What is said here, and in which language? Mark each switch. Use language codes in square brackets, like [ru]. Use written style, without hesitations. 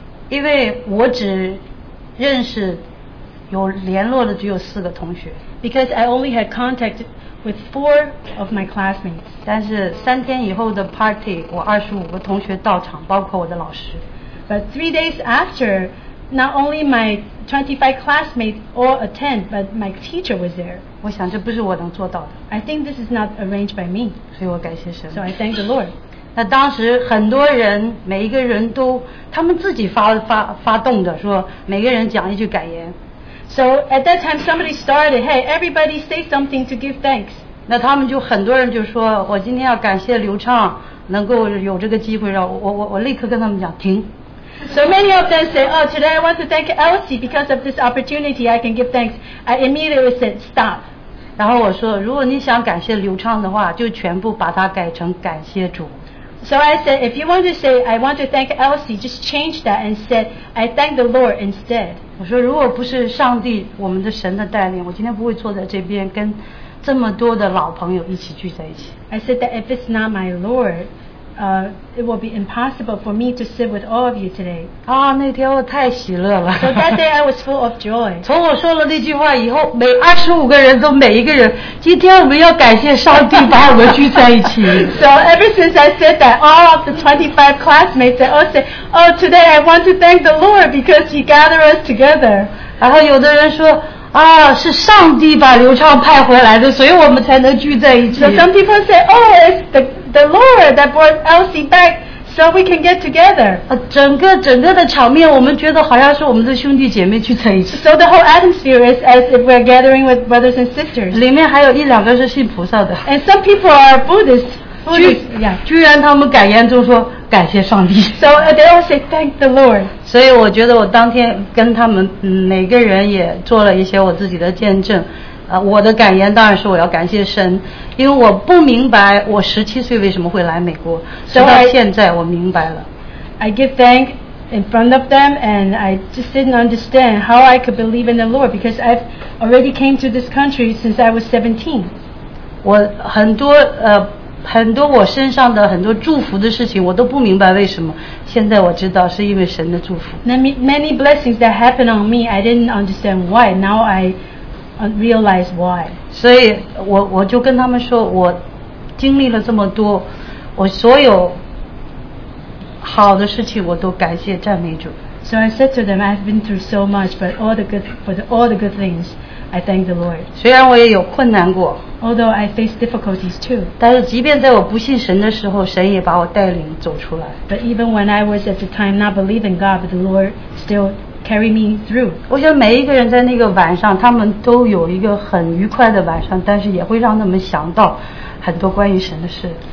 [zh] 因为我只认识有联络的只有四个同学。 [en] Because I only had contact with 4 of my classmates. [zh] 但是三天以后的 party, 我25个同学到场，包括我的老师。 [en] But 3 days after, not only my 25 classmates all attend, but my teacher was there. [zh] 我想这不是我能做到的。 [en] I think this is not arranged by me. [zh] 所以我感谢神。 [en] So I thank the Lord. [zh] 那当时很多人，每一个人都，他们自己发动的，说每个人讲一句感言。 [en] So at that time, somebody started, hey, everybody say something to give thanks. [zh] 那他们就很多人就说，我今天要感谢刘畅，能够有这个机会，让我立刻跟他们讲停。 [en] So many of them say, oh, today I want to thank Elsie because of this opportunity I can give thanks. I immediately said, stop. [zh] 然后我说，如果你想感谢刘畅的话，就全部把它改成感谢主。 [en] So I said, if you want to say, I want to thank Elsie, just change that and say, I thank the Lord instead. [zh] 我说如果不是上帝我们的神的带领，我今天不会坐在这边跟这么多的老朋友一起聚在一起。 [en] I said that if it's not my Lord, it will be impossible for me to sit with all of you today. [zh] 啊，那天我太喜乐了。 [en] So that day I was full of joy. [zh] 从我说了那句话以后，每25个人都每一个人，今天我们要感谢上帝把我们聚在一起。 [en] So ever since I said that, all of the 25 classmates all say, oh, today I want to thank the Lord because he gathered us together. [zh] 然后有的人说啊，是上帝把刘畅派回来的，所以我们才能聚在一起。 [en] So some people say, oh, it's the Lord that brought Elsie back so we can get together. [zh] 整个的场面我们觉得好像是我们的兄弟姐妹聚在一起。 [en] So the whole atmosphere is as if we're gathering with brothers and sisters. [zh] 里面还有一两个是信菩萨的。 [en] And some people are Buddhists. Yeah. [zh] 居然他们感言中说感谢上帝。 [en] So they all say thank the Lord. [zh] 所以我觉得我当天跟他们每个人也做了一些我自己的见证。我的感言当然是我要感谢神，因为我不明白我17岁为什么会来美国，直到现在我明白了。 [en] I give thanks in front of them, and I just didn't understand how I could believe in the Lord because I've already came to this country since I was 17. [zh] 我很多我身上的很多祝福的事情我都不明白为什么，现在我知道是因为神的祝福。 [en] Many blessings that happened on me, I didn't understand why. Now I realize why. [zh] 所以我就跟他们说，我经历了这么多，我所有好的事情我都感谢赞美主。 [en] So I said to them, I've been through so much, but all the good things, I thank the Lord. [zh] 虽然我也有困难过, [en] although I face difficulties too. [zh] 但是即便在我不信神的时候, 神也把我带领走出来。 [en] But even when I was at the time not believing God, but the Lord still carry me through. [zh] 我想每一个人在那个晚上, 他们都有一个很愉快的晚上, 但是也会让他们想到很多关于神的事。